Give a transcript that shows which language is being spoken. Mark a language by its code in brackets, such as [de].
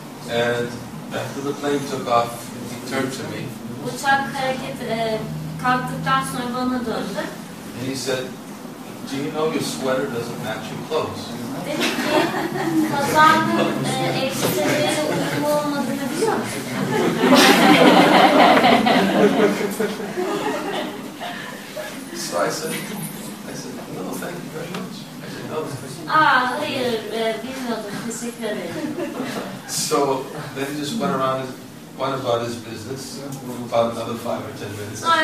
[en] And after the plane took off, he turned to me. [tr] Uçak hareket kalktıktan sonra bana döndü. [en] And he said, do you know your sweater doesn't match your clothes? [tr] Dedi ki, kazanın elbiseleri uyumlu olmadığını biliyor musun? [en] So I said, no, thank you very much. I said, no. [tr] Hayır, bilmiyordum, teşekkür ederim. [en] So, then he just went around one about his business, about another 5 or 10 minutes.